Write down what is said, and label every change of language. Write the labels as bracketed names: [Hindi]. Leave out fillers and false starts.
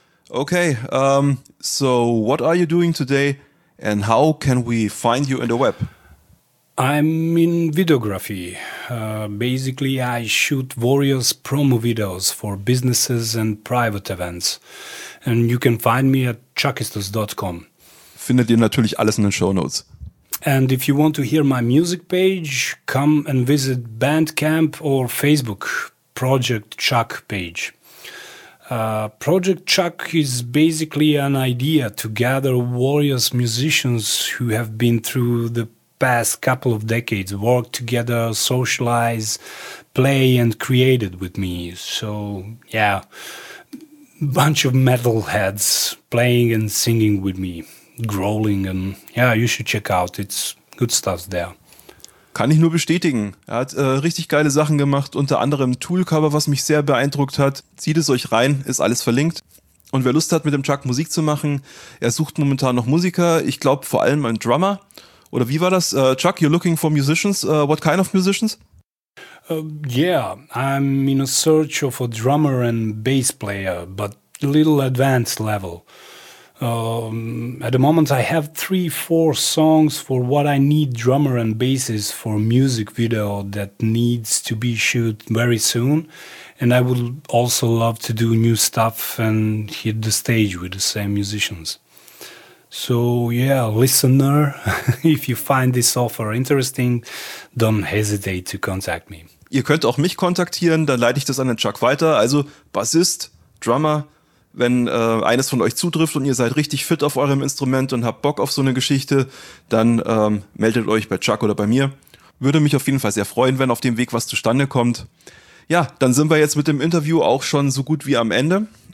[English] Okay, so what are you doing today, and how can we find you in the web? I'm in videography. Basically, I shoot various promo videos for businesses and private events. And you can find me at chuckistus.com. [German] Findet ihr natürlich alles in den Shownotes. [English] And if you want to hear my music page, come and visit Bandcamp or Facebook Project Chuck page. Project Chuck is basically an idea to gather various musicians who have been through the past couple of decades, work together, socialize, play and created with me. So, yeah, bunch of metalheads playing and singing with me, growling, and yeah, you should check out, it's good stuff there. [German] Kann ich nur bestätigen. Er hat richtig geile Sachen gemacht, unter anderem Tool-Cover, was mich sehr beeindruckt hat. Zieht es euch rein, ist alles verlinkt. Und wer Lust hat, mit dem Chuck Musik zu machen, er sucht momentan noch Musiker. Ich glaube vor allem einen Drummer. Oder wie war das? [English] Chuck, you're looking for musicians. What kind of musicians? I'm in a search of a drummer and bass player, but a little advanced level. At the moment I have 3-4 songs for what I need drummer and bassist for music video that needs to be shoot very soon, and I would also love to do new stuff and hit the stage with the same musicians. So yeah, listener, if you find this offer interesting, don't hesitate to contact me. [German] Ihr könnt auch mich kontaktieren, dann leite ich das an den Chuck weiter, also Bassist, Drummer. Wenn eines von euch zutrifft und ihr seid richtig fit auf eurem Instrument und habt Bock auf so eine Geschichte, dann meldet euch bei Chuck oder bei mir. Würde mich auf jeden Fall sehr freuen, wenn auf dem Weg was zustande kommt. Ja, dann sind wir jetzt mit dem Interview auch schon so gut wie am Ende.